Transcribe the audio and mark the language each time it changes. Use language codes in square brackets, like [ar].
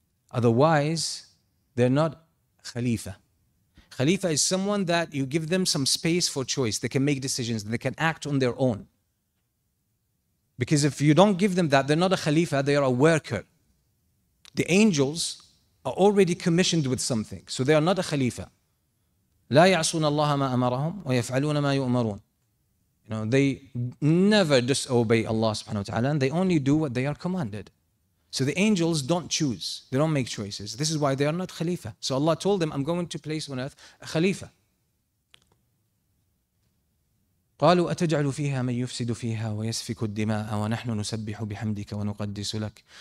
[en] Otherwise, they're not Khalifa. Khalifa is someone that you give them some space for choice. They can make decisions, they can act on their own. Because if you don't give them that, they're not a Khalifa, they are a worker. The angels are already commissioned with something, so they are not a khalifa. [ar] لا يعصون الله ما أمرهم ويفعلون ما يؤمرون. [en] You know, they never disobey Allah subhanahu wa ta'ala, and they only do what they are commanded. So the angels don't choose, they don't make choices. This is why they are not khalifa. So Allah told them, I'm going to place on earth a khalifa. [ar] قالوا أتجعل فيها من يفسد فيها ويسفك الدماء ونحن نسبح بحمدك ونقدس لك.